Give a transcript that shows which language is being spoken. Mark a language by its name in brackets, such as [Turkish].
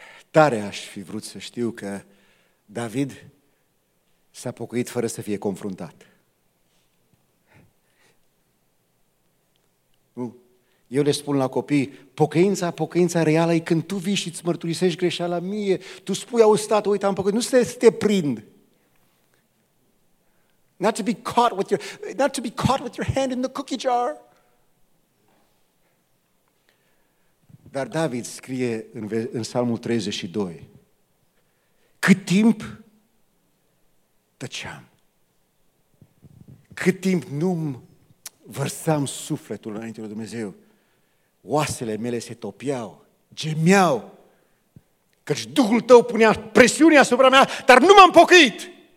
[Romanian] Tare aș fi vrut să știu că David s-a pocăit fără să fie confruntat. Nu. Eu le spun la copii, pocăința reală e când tu vii și îți mărturisești greșeala mie, tu spui, auzi, tată, uite, am pocăit, nu să te prind. [English] Not to be caught with your hand in the cookie jar. [Romanian] Dar David scrie în Psalmul 32, cât timp tăceam, cât timp nu-mi vărsam sufletul înainte lui Dumnezeu, oasele mele se topiau, gemeau, căci Duhul tău punea presiune asupra mea, dar nu m-am pocăit.